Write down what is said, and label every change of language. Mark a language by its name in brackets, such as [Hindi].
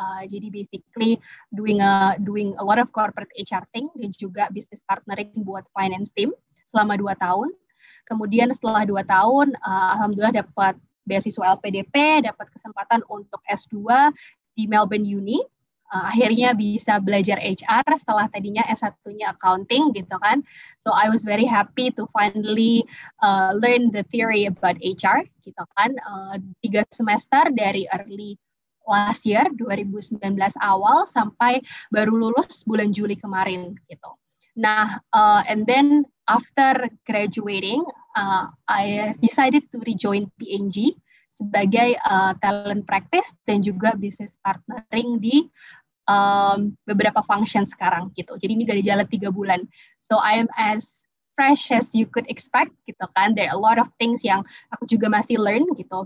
[Indonesian] Jadi [English] basically doing a lot of corporate HR thing [Indonesian] dan juga [English] business partnering [Indonesian] buat [English] finance team [Indonesian] selama 2 tahun. Kemudian setelah 2 tahun, alhamdulillah dapat beasiswa LPDP, dapat kesempatan untuk S2 di Melbourne Uni. Akhirnya bisa belajar HR setelah tadinya S1-nya accounting gitu kan. [English] So I was very happy to finally learn the theory about HR [Indonesian] gitu kan. 3 semester dari [English] early last year, [Indonesian] 2019 awal, sampai baru lulus bulan Juli kemarin gitu. Nah, [English] and then after graduating, I decided to rejoin PNG [Indonesian] sebagai [English] talent practice [Indonesian] dan juga [English] business partnering [Indonesian] di beberapa [English] function [Indonesian] sekarang gitu. Jadi ini dari jalan 3 bulan. [English] So I am as fresh as you could expect [Indonesian] gitu kan. [English] There are a lot of things [Indonesian] yang aku juga masih [English] learn [Indonesian] gitu.